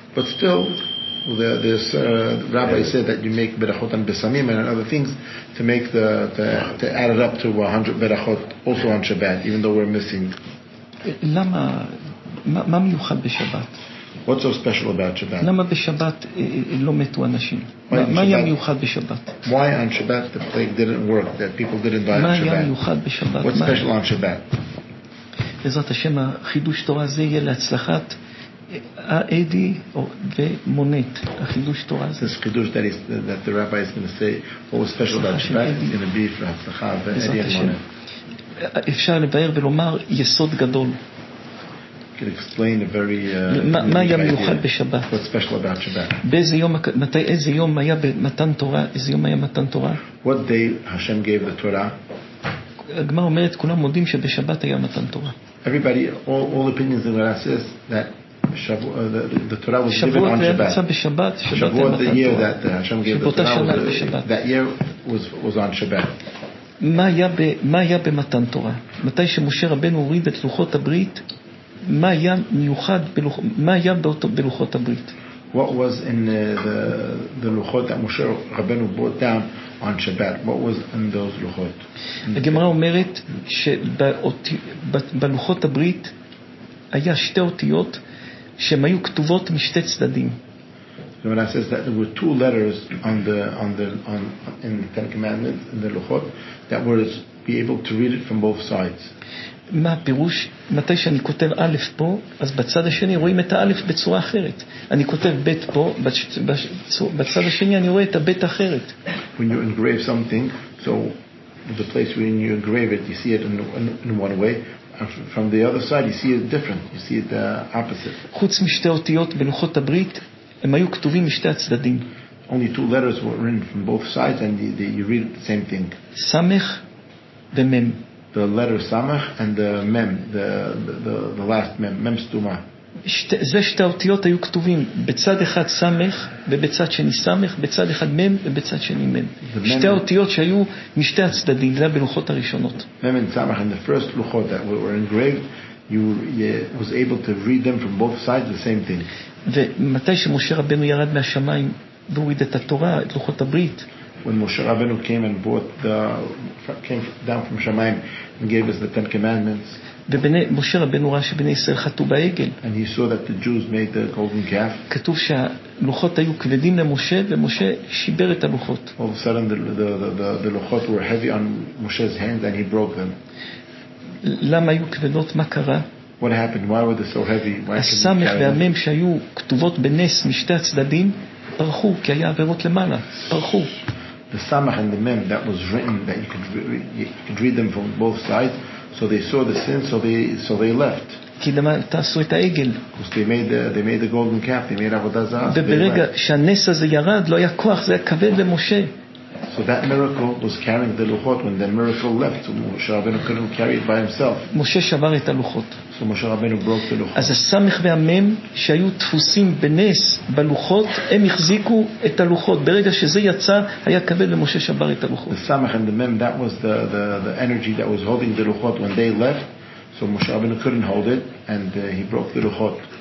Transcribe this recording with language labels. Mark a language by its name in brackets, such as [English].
[English] But still, this rabbi said that you make berachot on besamim and other things to make to add it up to 100 berachot also on Shabbat, even though we're missing. [Hebrew] Lama, ma miyuchad b'Shabbat? [English] What's so special about Shabbat? [Hebrew] Lama b'Shabbat lo metu anashim? מה היה מיוחד בשבת? [English] Why on Shabbat the plague didn't work, that people didn't die on Shabbat? [Hebrew] מה היה מיוחד בשבת? [English] What's special on Shabbat? [Hebrew] בעזרת השם, החידוש תורה הזה יהיה להצלחת האדי ומונית. החידוש תורה הזה. [English] This חידוש that the rabbi is going to say, what was special about Shabbat, is going to be for הצלחה ואדי ומונית. [Hebrew] אפשר לבאר ולומר יסוד גדול. [English] Could explain a very [Hebrew] מה היה מיוחד בשבת? [English] What's special about Shabbat? [Hebrew] באיזה יום, מתי, איזה יום היה במתן תורה? איזה יום היה מתן תורה? [English] What day Hashem gave the Torah? [Hebrew] הגמרא אומרת, כולם מודים שבשבת היה מתן תורה. [English] Everybody, all opinions in the Gemara says that the Torah was given on Shabbat. [Hebrew] שבוע, בשבת, [English] Shabbat, the year that Hashem gave the Torah, that year was on Shabbat. [Hebrew] מה היה במתן תורה? מתי שמשה רבנו הוריד את לוחות הברית? מה היה מיוחד בלוחות הברית? [English] What was in the לוחות that Moshe Rabbeinu brought down on Shabbat? What was in those לוחות? [Hebrew] הגמרא אומרת שבלוחות הברית היה שתי אותיות שהן היו כתובות משתי צדדים. [English] The Gemara says that there were two letters in the Ten Commandments, in the לוחות, that were be able to read it from both sides. [Hebrew] מה הפירוש? מתי שאני כותב א' פה, אז בצד השני רואים את האלף בצורה אחרת. אני כותב ב' פה, בצד השני אני רואה את הבית אחרת. [English] When you engrave something, so the place when you engrave it, you see it in one way. From the other side, you see it different. You see it the opposite. [Hebrew] חוץ משתי אותיות בלוחות הברית, הם היו כתובים משתי הצדדים. [English] Only two letters were written from both sides, and you read the same thing. [Hebrew] סמך ומם. [English] The letter samach and the mem, the last mem, mem stuma. [Hebrew] זה שתי האותיות היו כתובים בצד אחד סמך ובצד שני סמך, בצד אחד מם ובצד שני מם. שתי האותיות שהיו משתי הצדדים, זה בלוחות הראשונות. [English] Mem and samach and the first luchot that were engraved, you was able to read them from both sides the same thing. [Hebrew] ומתי שמשה רבנו ירד מהשמיים והוריד את התורה, את לוחות הברית, [English] when Moshe Rabbeinu came and came down from Shamayim and gave us the Ten Commandments, [Hebrew] Moshe Rabbeinu ראה שבני ישראל חטאו בעגל, [English] and he saw that the Jews made the golden calf, [Hebrew] כתוב שהלוחות היו כבדים למשה ומשה שיבר את הלוחות. [English] All of a sudden the לוחות were heavy on Moshe's hands and he broke them. [Hebrew] למה היו כבדות? מה קרה? [English] What happened? Why were they so heavy? [Hebrew] הסמך והמם שהיו כתובות בנס משתי הצדדים פרחו, כי היה עבירות למעלה, פרחו. [English] The samach and the mem that was written, that you could read them from both sides, so they saw the sin, so they left. [Hebrew] כי למה תעשו את העגל? [English] Because they made the golden calf, they made עבודה זרה. [Hebrew] וברגע שהנס הזה ירד, לא היה כוח, זה היה כבד למשה. [English] So that miracle was carrying the Luchot when the miracle left. So Moshe Rabbeinu couldn't carry it by himself. [Hebrew] Moshe shavar et haLuchot. [English] So Moshe Rabbeinu broke the Luchot. [Hebrew] אז הסמך והמם שהיו תפוסים בנס בלוחות, הם החזיקו את הלוחות. ברגע שזה יצא, היה כבד למשה שבר את הלוחות. [English] The סמך and the מם, that was the energy that was holding the Luchot when they left. So Moshe Rabbeinu couldn't hold it, and he broke the Luchot.